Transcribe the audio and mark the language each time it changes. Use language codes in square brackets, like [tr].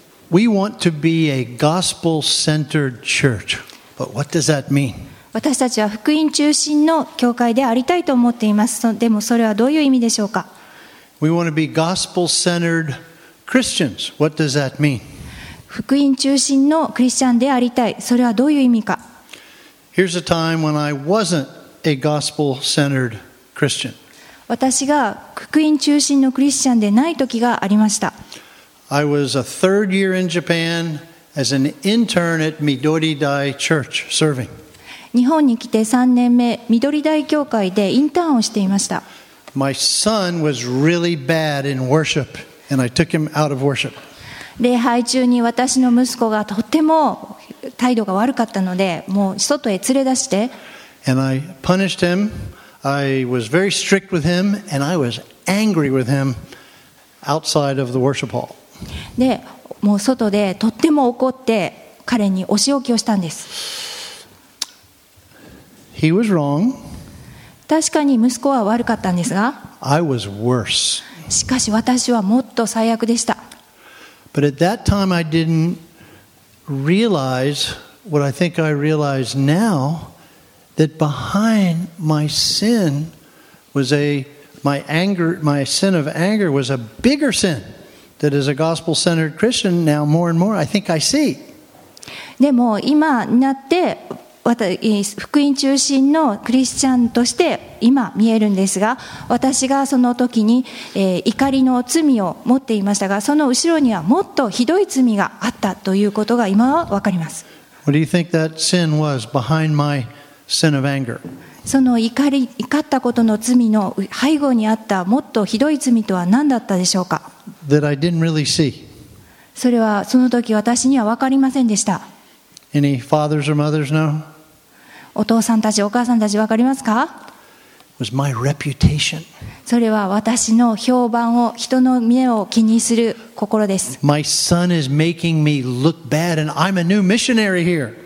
[en] We want to be a gospel-centered church. But what does that mean? [ja] 私たちは福音中心の教会でありたいと思っています。でもそれはどういう意味でしょうか? [en] We want to be gospel-centered Christians, what does that mean? [ja] 福音中心のクリスチャンでありたい。それはどういう意味か? [en] Here's a time when I wasn't a gospel-centered Christian. [ja] 私が福音中心のクリスチャンでない時がありました。 [en] I was a third year in Japan as an intern at Midori Dai Church serving. [ja] 日本に来て3年目、緑台教会でインターンをしていました。 [en] My son was really bad in worship. And I took him out of worship. [ja] 礼拝中に私の息子がとても態度が悪かったので、もう外へ連れ出して。 [en] And I punished him. I was very strict with him, and I was angry with him outside of the worship hall. [ja] で、もう外でとっても怒って彼にお仕置きをしたんです。 [en] He was wrong. [ja] 確かに息子は悪かったんですが。 [en] I was worse. [ja] しかし私はもっと最悪でした。 [en] But at that time I didn't realize what I think I realize now, that behind my sin was a, my anger, my sin of anger was a bigger sin that as a gospel-centered Christian now more and more I think I see. [ja] でも今になって福音中心のクリスチャンとして今見えるんですが、私がその時に怒りの罪を持っていましたが、その後ろにはもっとひどい罪があったということが今は分かります。 [en] What do you think that sin was behind my sin of anger? [ja] その怒ったことの罪の背後にあったもっとひどい罪とは何だったでしょうか? [en] That I didn't really see. [ja] それはその時私には分かりませんでした。 [en] Any fathers or mothers know? [ja] お父さんたち、お母さんたち、わかりますか? [en] It was my reputation. [ja] それは私の評判を、人の目を気にする心です。 [en] My son is making me look bad, and I'm a new missionary here.